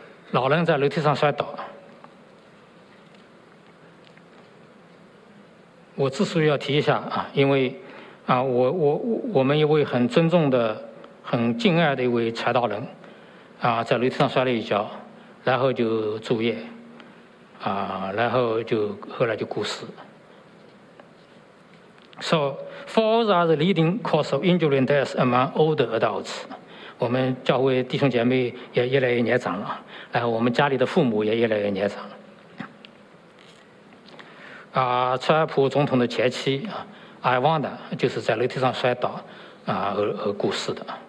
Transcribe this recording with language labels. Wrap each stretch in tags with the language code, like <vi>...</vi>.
<zh>老人在楼梯上摔倒，我之所以要提一下因为我们一位很尊重的很敬爱的一位传道人在楼梯上摔了一跤，然后就住院然后就后来就过世。</zh> <en>So, falls are the leading cause of injury and death among older adults.</en> <zh>我们教会弟兄姐妹也越来越年长了，然后我们家里的父母也越来越年长了。川普总统的前妻艾旺达就是在楼梯上摔倒而过世的。</zh>